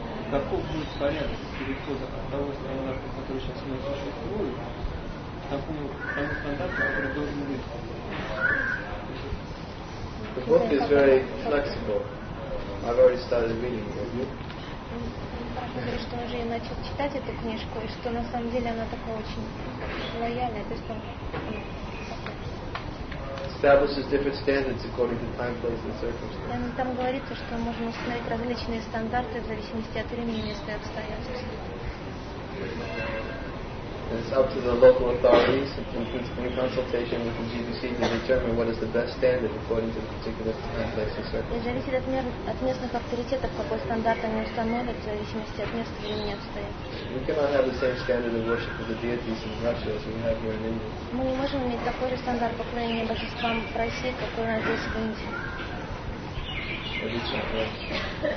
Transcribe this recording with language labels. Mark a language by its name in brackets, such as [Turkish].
[Russian] Каков будет порядок перехода от того стандарта, который сейчас у нас существует, к тому стандарту, который должен быть? [English] The book is very flexible. I've already started reading it. Have you? [Russian] Говорит, что он уже начал читать эту книжку, и что на самом деле она такая очень лояльная, то есть он [English] establishes different standards according to time, place, and circumstances. [Russian] Там говорится, что можно установить различные стандарты в зависимости от времени, места и обстоятельств. [English] It's up to the local authorities, in consultation with the GBC, to determine what is the best standard according to the particular time, place, and circumstances. [Russian] И зависит от местных авторитетов, какой стандарт они установят в зависимости от места, времени и обстоятельств. [English] We cannot have the same standard of worship of the deities in Russia as we have here in India. [Russian] Мы не можем иметь такой же стандарт поклонения божествам в России, какой у нас здесь в Индии.